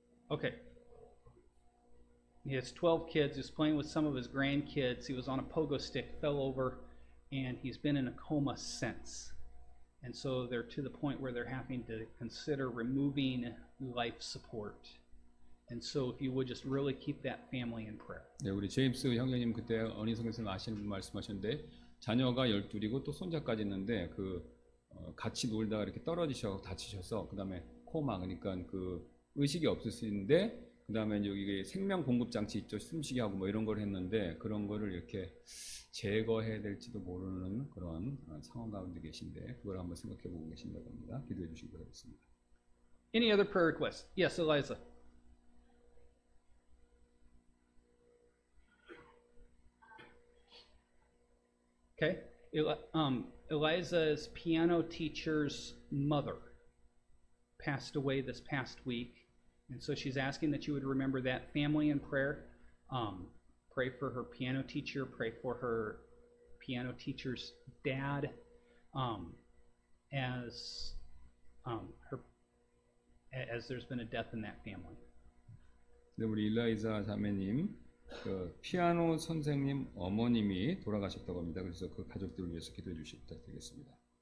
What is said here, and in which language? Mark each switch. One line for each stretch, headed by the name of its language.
English: Okay. He has 12 kids. He was playing with some of his grandkids. He was on a pogo stick, fell over, and he's been in a coma since. And so they're to the point where they're having to consider removing life support. And so if you would just really keep that family in prayer.
Korean: 네, 우리 제임스 형제님 그때 어린 성경에서 아시는 분 말씀하셨는데 자녀가 12이고 또 손자까지 있는데 그 같이 놀다가 이렇게 떨어지셔서 다치셔서 그다음에 코마 그러니까 그 의식이 없을 수 있는데 그다음에 여기 생명 공급 장치 있죠. 숨쉬게 하고 뭐 이런 걸 했는데 그런 거를 이렇게 제거해야 될지도 모르는 그런 상황 가운데 계신데 그걸 한번 생각해 보고 계신다고 합니다. 기도해 주시기 바라겠습니다.
English: Any other prayer requests? Yes, Eliza. Okay. Eliza's piano teacher's mother passed away this past week, and so she's asking that you would remember that family in prayer. Pray for her piano teacher, pray for her piano teacher's dad, as there's been a death in that family.
Korean: 네, 우리 엘라이자 자매님. 그 피아노 선생님 어머님이 돌아가셨다고 합니다. 그래서 그 가족들을 위해서 기도해 주시기 부탁드리겠습니다.